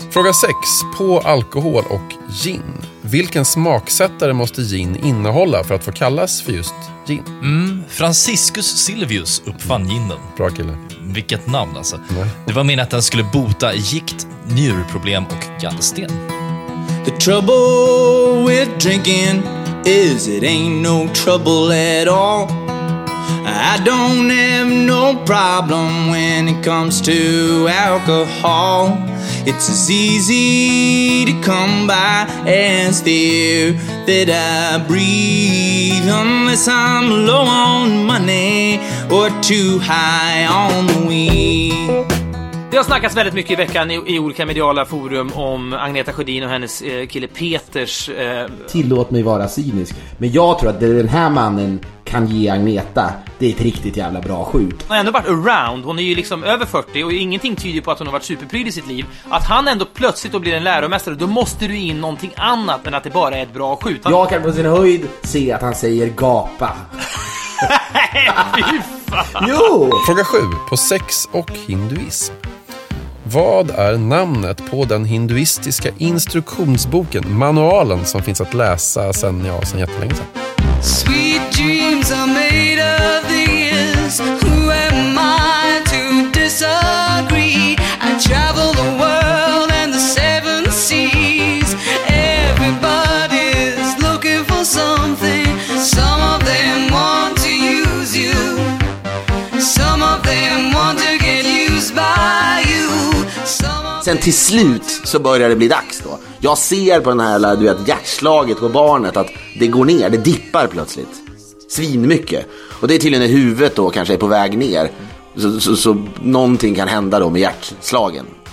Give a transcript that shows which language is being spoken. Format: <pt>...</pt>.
<sv>Fråga 6, på alkohol och gin. Vilken smaksättare måste gin innehålla för att få kallas för just gin? Franciscus Silvius uppfann ginen. Bra kille. Vilket namn alltså. Nej. Det var menat att den skulle bota gikt, njurproblem och gallsten.</sv> <en>The trouble with drinking is it ain't no trouble at all. I don't have no problem when it comes to alcohol. It's as easy to come by as the air that I breathe. Unless I'm low on money or too high on the weed.</en> <sv>Det har snackats väldigt mycket i veckan i olika mediala forum om Agneta Sjödin och hennes kille Peters... Tillåt mig vara cynisk, men jag tror att den här mannen kan ge Agneta. Det är ett riktigt jävla bra skjut. Hon har ändå varit around, hon är ju liksom över 40 och ingenting tyder på att hon har varit superpryd i sitt liv. Att han ändå plötsligt blir en läromästare, då måste du in någonting annat än att det bara är ett bra skjut. Jag kan på sin höjd se att han säger gapa. Nej, jo! Fråga 7 på sex och hinduism. Vad är namnet på den hinduistiska instruktionsboken, manualen, som finns att läsa sen, ja, sen jättelänge sedan?</sv> <en>Sweet dreams are made of these. Who am I to disagree? I travel the world and the seven seas. Everybody's looking for something. Some of them want to use you. Some of them want to get used by you.</en> <sv>Sen till slut så börjar det bli dags då. Jag ser på den här, du vet, hjärtslaget på barnet att det går ner, det dippar plötsligt svinmycket. Och det är till och med huvudet då kanske är på väg ner. Så någonting kan hända då med hjärtslagen.</sv>